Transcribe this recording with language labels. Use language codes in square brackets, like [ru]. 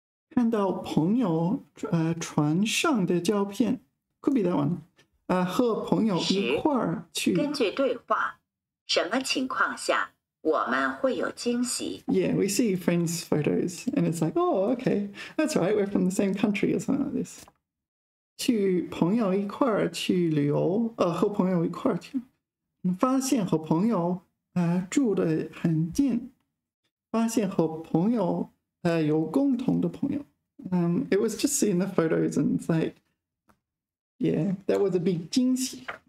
[zh] 看到朋友传上的照片 [en] could be that one [zh] 啊，和朋友一块儿去。根据对话，什么情况下我们会有惊喜？ [en] Yeah, we see friends' photos, and it's like, oh, okay, that's right, we're from the same country or something like this. [zh] 去朋友一块儿去旅游，和朋友一块儿去，发现和朋友住得很近，发现和朋友有共同的朋友。 [en] It was just seeing the photos and it's like, yeah, that was a big 惊喜.